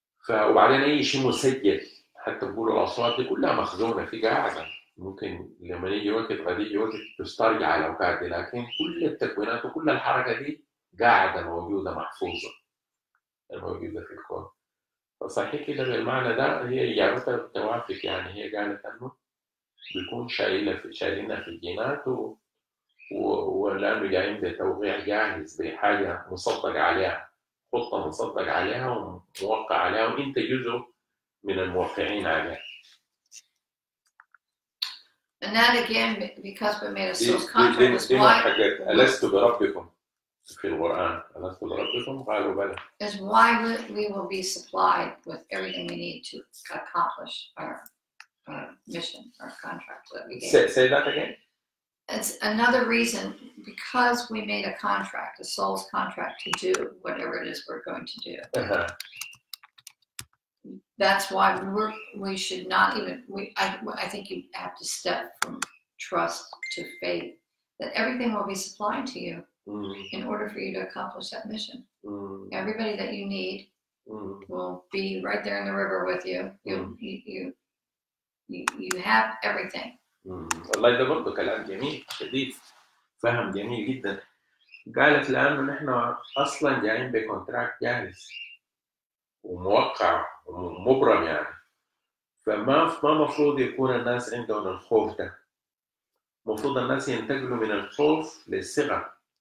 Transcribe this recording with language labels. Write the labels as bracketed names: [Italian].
[Arabic] وبعدين أي شيء مسجل حتى بقولوا الأصوات دي كلها مخزونة في قاعدة ممكن لما يجي وقت غادي يجي وقت تسترجع الأوقات دي لكن كل التكوينات وكل الحركة دي قاعدة موجودة محفوظة الموجودة في الكون فصحيح كده بالمعنى ده هي إجابتها توافق يعني هي قالت أنه بيكون شايلنا في الجينات ولأنه جايين بتوقيع جاهز بحاجة مصدق عليها خطة مصدق عليها وموقع عليها وإنت جزء من الموقعين عليها [English] And that again, because we made a soul contract, was why... [Arabic] ألست بربكم في القرآن ألست بربكم قالوا بلى [English] is why we will be supplied with everything we need to accomplish our mission our contract that we gave say that again it's another reason because we made a contract a soul's contract to do whatever it is we're going to do that's why we should not even I think you have to step from trust to faith that everything will be supplied to you in order for you to accomplish that mission. Everybody that you need will be right there in the river with you. You have everything. [Arabic] والله ده برضو كلام جميل شديد فهم جميل جدا قالت لأنه نحن أصلا جايين بكونتراكت جاهز وموقع ومبرم يعني فما مفروض يكون الناس عندهم الخوف ده مفروض الناس ينتقلوا من الخوف للثقة